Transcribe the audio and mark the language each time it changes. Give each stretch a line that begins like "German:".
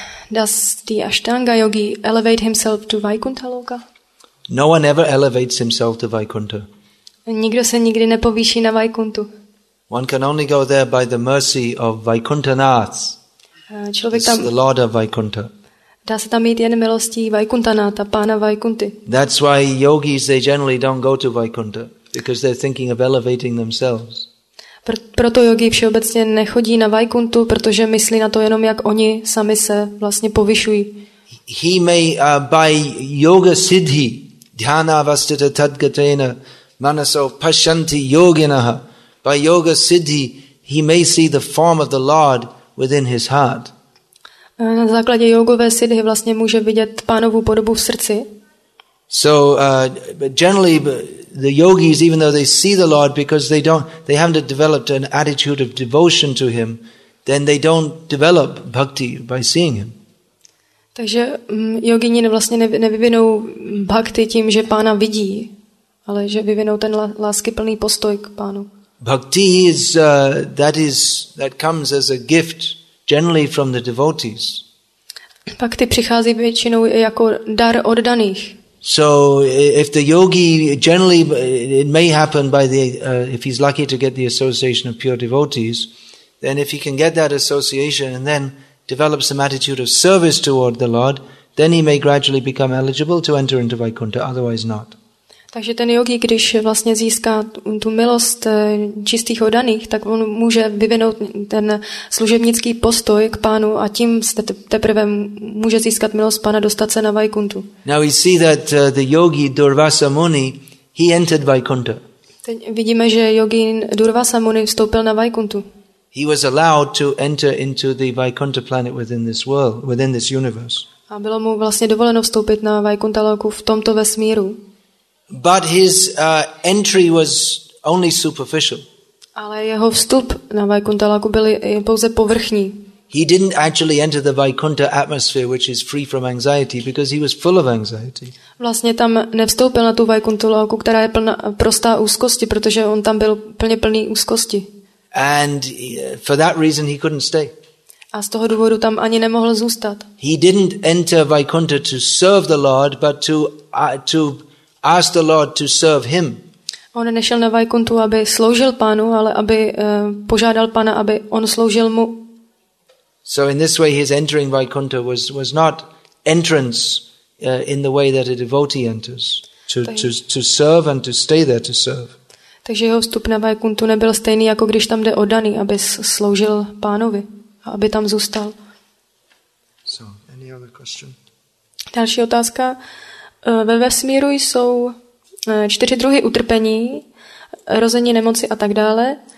English: Does the Ashtanga yogi elevate himself to Vaikuntha loka? No one ever elevates himself to Vaikuntha.
Czech: Nikdo se nikdy nepovýší na Vaikuntu.
English: One can only go there by the mercy of Vaikuntha Nath.
Czech: Člověk tam
English: the Lord of Vaikuntha.
Czech: Dá se tam mít jen milostí Vaikuntanáta, pána Vaikunty.
English: That's why yogis they generally don't go to Vaikunta because they're thinking of elevating themselves.
Czech: Proto jogi všeobecně nechodí na Vaikuntu, protože myslí na to jenom, jak oni sami se vlastně povyšují.
English: He may by
Sanskrit: yoga siddhi dhyana vastita tadgatena manaso pashanti yoginaha.
English: By yoga siddhi he may see the form of the Lord within his heart.
Czech: Na základě jogové siddhi vlastně může vidět pánovu podobu v srdci.
English: So generally the yogis, even though they see the Lord because they haven't developed an attitude of devotion to him, then they don't develop bhakti by seeing him.
Czech: Takže jogini vlastně nevyvinou bhakti tím, že pána vidí, ale že vyvinou ten láskyplný postoj k pánu.
English: Bhakti is that comes as a gift generally from the devotees.
Czech: Bhakti přichází většinou jako dar od daných.
English: So if the yogi generally it may happen by the if he's lucky to get the association of pure devotees, then if he can get that association and then develops an attitude of service toward the Lord, then he may gradually become eligible to enter into Vaikuntha, otherwise not.
Czech: Takže ten yogi, když vlastně získá tu milost čistých oddaných, tak on může vyvinout ten služebnický postoj k pánu a tím teprve může získat milost pána, dostat se na Vaikuntu.
English: Now we see that the yogi Durvasa Muni, he entered Vaikuntha.
Czech: Teď vidíme, že yogin Durvasa Muni vstoupil na Vaikuntu.
English: He was allowed to enter into the Vaikuntha planet within this world, within this universe.
Czech: A bylo mu vlastně dovoleno vstoupit na Vaikuntha loku v tomto vesmíru.
English: But his entry was only superficial.
Czech: Ale jeho vstup na Vaikuntha loku byl pouze povrchní.
English: He didn't actually enter the Vaikuntha atmosphere, which is free from anxiety, because he was full of anxiety.
Czech: Vlastně tam nevstoupil na tu Vaikuntha loku, která je plná prostá úzkosti, protože on tam byl plně plný úzkosti.
English: And for that reason he couldn't stay.
Czech: A z toho důvodu tam ani nemohl zůstat.
English: He didn't enter Vaikuntha to serve the Lord, but to ask the Lord to serve him.
Czech: On nešel na Vaikuntu, aby sloužil pánu, ale aby požádal pána, aby on sloužil mu.
English: So in this way his entering Vaikuntha was not entrance in the way that a devotee enters to serve and to stay there to serve.
Czech: Takže jeho vstup na Vaikuntu nebyl stejný, jako když tam jde oddaný, aby sloužil pánovi a aby tam zůstal.
English: So, any other question?
Czech: Další otázka. Ve vesmíru jsou čtyři druhy utrpení, rození, nemoci a tak dále.